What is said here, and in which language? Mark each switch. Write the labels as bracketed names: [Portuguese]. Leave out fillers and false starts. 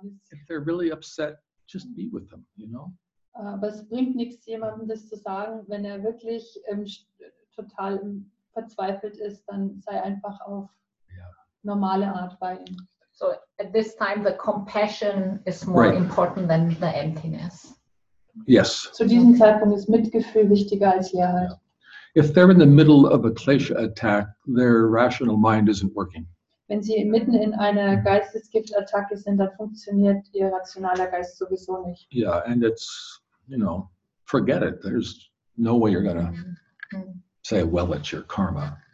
[English] If they're really upset, just be with them, you know. [German] Aber es bringt nichts, jemandem das zu sagen. Wenn er wirklich total verzweifelt ist, dann sei einfach auf normale Art bei ihm. [English] So at this time the compassion is more important than the emptiness. Yes. [German] Zu diesem Zeitpunkt ist Mitgefühl wichtiger als Leerheit. [English] If they're in the middle of a klesha attack, their rational mind isn't working. [German] Wenn sie mitten in einer Geistesgiftattacke sind, dann funktioniert ihr rationaler Geist sowieso nicht. [English] Yeah, and it's, you know, forget it. There's no way you're gonna say, well, it's your karma.